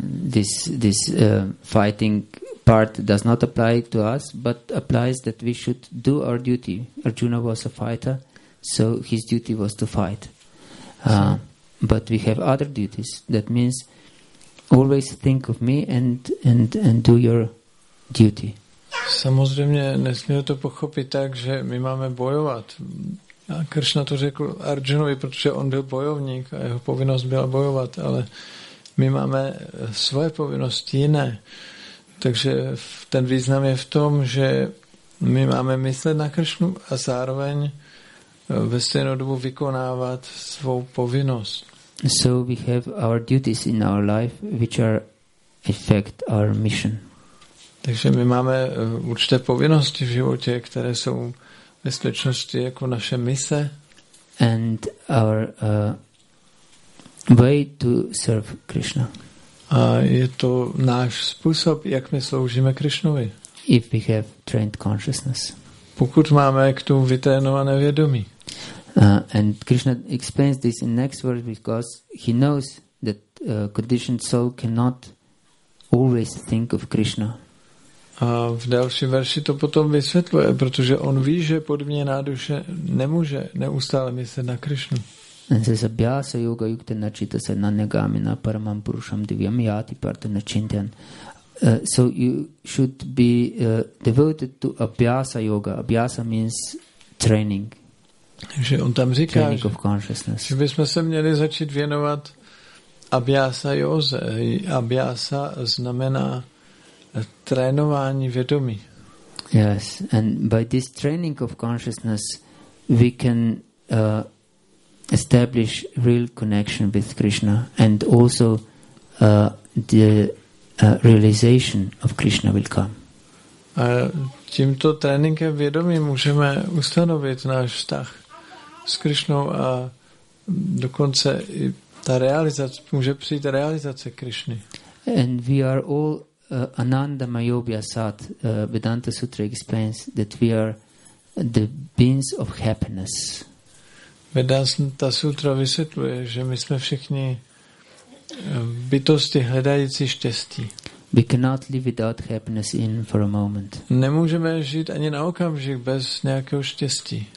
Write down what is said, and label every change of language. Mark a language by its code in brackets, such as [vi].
[en] This fighting part does not apply to us, but applies that we should do our duty. Arjuna was a fighter, so his duty was to fight. But we have other duties. That means always think of me and do your duty. [cs] Samozřejmě nesmíme to pochopit tak, že my máme bojovat. A Krishna to řekl Arjunovi, protože on byl bojovník a jeho povinnost byla bojovat, ale my máme svoje povinnosti jiné. Takže ten význam je v tom, že my máme myslet na Krishnu a zároveň ve stejnou dobu vykonávat svou povinnost. [en] So we have our duties in our life, which are affect our mission. [cs] Takže my máme určité povinnosti v životě, které jsou ve skutečnosti jako naše mise. [en] And our way to serve Krishna. [cs] A je to náš způsob, jak my sloužíme Krishnovi. [en] If we have trained consciousness. [cs] Pokud máme k tomu vytrénované vědomí. [en] And Krishna explains this in next verse because he knows that conditioned soul cannot always think of Krishna. [cs] A v další verši to potom vysvětluje, protože on ví, že podmíněná duše nemůže neustále myslet na Krishnu. [en] And says, [sa] "Abhyasa yoga yukta nachita sena negamina paramam purusham divyam yati parta nachintyan." [en] So you should be devoted to abhyasa yoga. Abhyasa means training. [cs] Že on tam říká, že bychom se měli začít věnovat abhyasa yoze. Abhyasa znamená trénování vědomí. [en] Yes, and by this training of consciousness we can establish real connection with Krishna and also the realization of Krishna will come. [cs] A tímto tréninkem vědomí můžeme ustanovit náš vztah s Krišnou a dokonce i ta realizace, může přijít realizace Krišny. [en] And we are all Anandamayo Vyasat. Vedanta Sutra explains that we are the beings of happiness. [cs] Vedanta Sutra vysvětluje, že my jsme všichni bytosti hledající štěstí. [en] We cannot live without happiness in for a moment. [cs] Nemůžeme žít ani na okamžik bez nějakého štěstí.